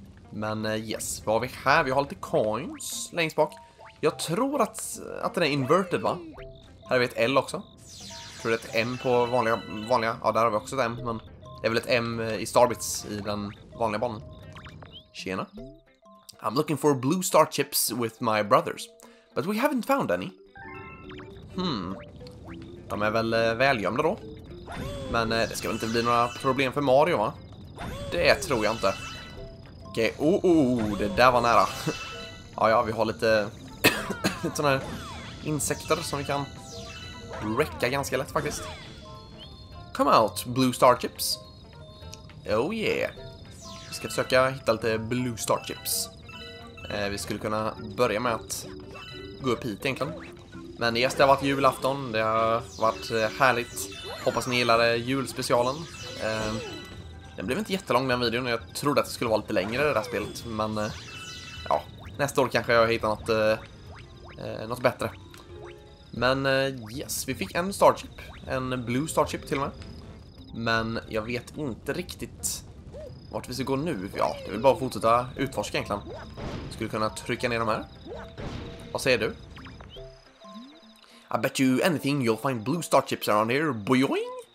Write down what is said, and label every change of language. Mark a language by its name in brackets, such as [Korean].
[Swedish] Men yes, vad har vi här? Vi har lite coins längst bak. Jag tror att den är inverted va? Här har vi ett L också. Jag tror det är ett M på vanliga. Ja, där har vi också ett M. Men det är väl ett M i Starbits i den vanliga banan. Tjena. [English] I'm looking for blue star chips with my brothers. But we haven't found any. [Swedish] De är väl välgömda då. Men det ska väl inte bli några problem för Mario va? Det tror jag inte. Okej, det där var nära. Ja, vi har lite sådana här insekter som vi kan räcka ganska lätt faktiskt. [English] Come out, blue star chips. Oh yeah. [Swedish] Vi ska försöka hitta lite blue star chips. Vi skulle kunna börja med att gå upp hit egentligen. Men yes, det har varit julafton. Det har varit härligt. Hoppas ni gillade julspecialen. Den blev inte jättelång den videon, jag trodde att det skulle vara lite längre det där spelet, men ja, nästa år kanske jag hittar något bättre. Men yes, vi fick en starship, en blue starship till och med. Men jag vet inte riktigt vart vi ska gå nu, ja, det vill bara fortsätta utforska egentligen. Skulle kunna trycka ner de här. Vad säger du? [English] I bet you anything you'll find blue starships around here, boing!